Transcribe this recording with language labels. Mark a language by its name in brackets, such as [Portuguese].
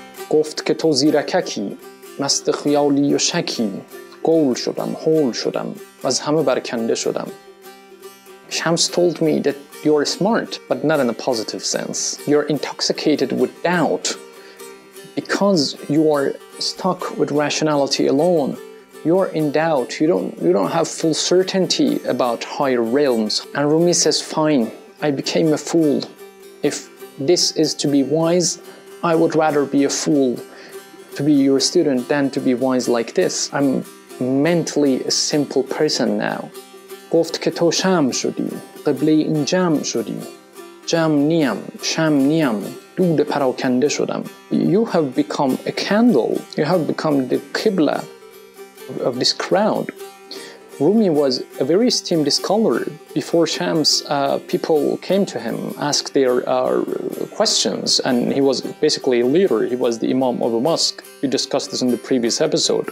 [Persian] گفت که تو زیرککی، مست خیالی و شکی، گول شدم، هول شدم، از همه برکنده شدم. [English] Shams told me that you're smart, but not in a positive sense. You're intoxicated with doubt, because you are stuck with rationality alone, you are in doubt, you don't have full certainty about higher realms. And Rumi says, fine, I became a fool. If this is to be wise, I would rather be a fool to be your student than to be wise like this. I'm mentally a simple person now. [Persian] گفت که تو شم شدی، قبله این جم شدی. جم نیم، شم نیم، دود پراکنده شدم. [English] You have become a candle. You have become the qibla of this crowd. Rumi was a very esteemed scholar. Before Shams, people came to him, asked their questions, and he was basically a leader. He was the imam of a mosque. We discussed this in the previous episode.